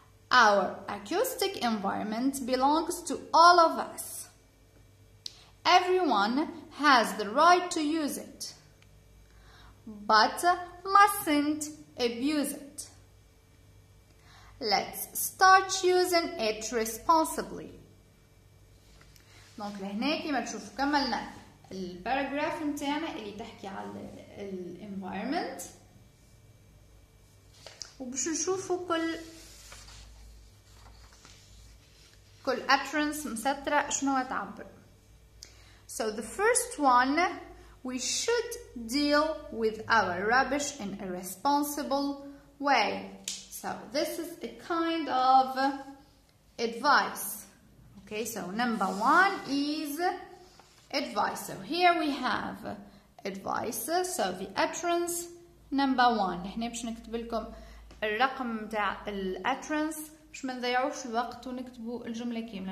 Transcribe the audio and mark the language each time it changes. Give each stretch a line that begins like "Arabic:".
English: Our acoustic environment belongs to all of us. Everyone has the right to use it, but mustn't abuse it. Let's start using it responsibly.
Arabic: دونك لهنا كيما تشوفوا كملنا الباراجراف نتاعنا اللي تحكي على الانفايرمنت، وباش نشوفوا كل utterance مسطرة شنو تعبر.
English: So the first one We should deal with our rubbish in a responsible way. So this is a kind of advice. Okay, so number one is advice. So here we have advice. So the utterance number one.
Arabic: نحن باش نكتب لكم الرقم تاع الاترنس باش ما نضيعوش الوقت ونكتبوا الجملة كاملة.